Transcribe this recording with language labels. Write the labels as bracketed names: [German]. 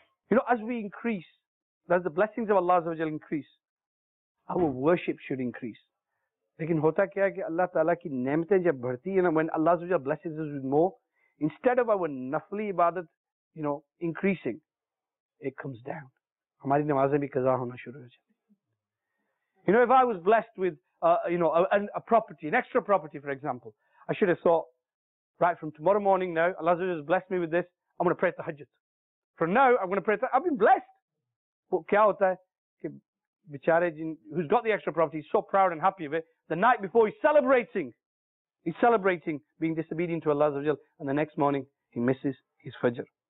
[English] You know, as we increase, as the blessings of Allah increase, our worship should increase. [Urdu] لیکن ہوتا کیا کہ اللہ تعالیٰ کی نعمتیں جب بھرتی ہے نا, [English] when Allah blesses us with more, instead of our نفلی عبادت, you know, increasing, it comes down. [Urdu] ہماری نمازیں بھی قضا ہونا شروع ہو جاتی. [English] You know, if I was blessed with a property, an extra property, for example, I should have thought, right, from tomorrow morning now, Allah has blessed me with this, I'm going to pray at the Hajjat. From now, I'm going to pray at I've been blessed. But [Urdu] kya hota hai ki bichare jin, [English] who's got the extra property, he's so proud and happy of it, the night before he's celebrating being disobedient to Allah, and the next morning he misses his Fajr.